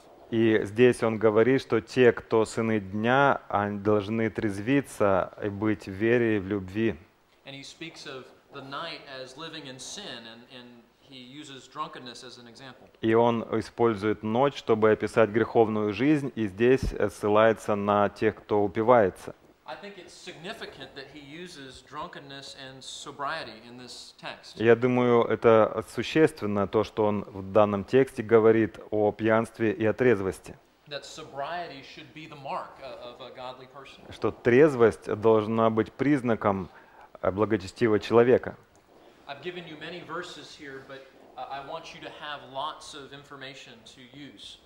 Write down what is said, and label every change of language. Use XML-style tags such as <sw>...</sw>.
<ru>И здесь он говорит, что те, кто сыны дня, они должны трезвиться и быть в вере и в любви.</ru> <en>And he speaks of the night as living in sin and he uses drunkenness as an example.</en> <ru>И он использует ночь, чтобы описать греховную жизнь, и здесь ссылается на тех, кто упивается.</ru> <en>I think it's significant that he uses drunkenness and sobriety in this text.</en> <ru>Я думаю, это существенно то, что он в данном тексте говорит о пьянстве и о трезвости.</ru> <en>That sobriety should be the mark of a godly person.</en> <ru>Что трезвость должна быть признаком благочестивого человека.</ru> <en>I've given you many verses here, but I want you to have lots of information to use.</en>